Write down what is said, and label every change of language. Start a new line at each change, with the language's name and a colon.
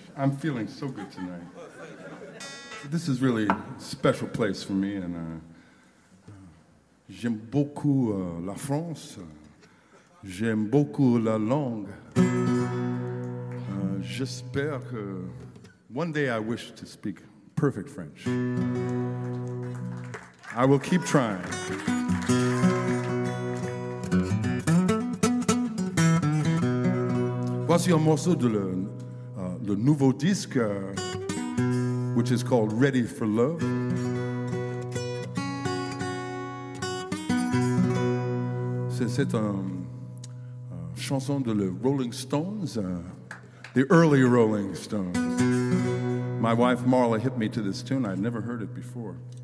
English: I'm feeling so good tonight. This is really a special place for me, and
French: j'aime beaucoup la France. J'aime beaucoup la langue. J'espère que
English: one day I wish to speak perfect French. I will keep trying.
French: Voici un morceau de le nouveau disque,
English: which is called Ready for Love.
French: C'est une chanson de le Rolling Stones,
English: the early Rolling Stones. My wife Marla hit me to this tune. I'd never heard it before.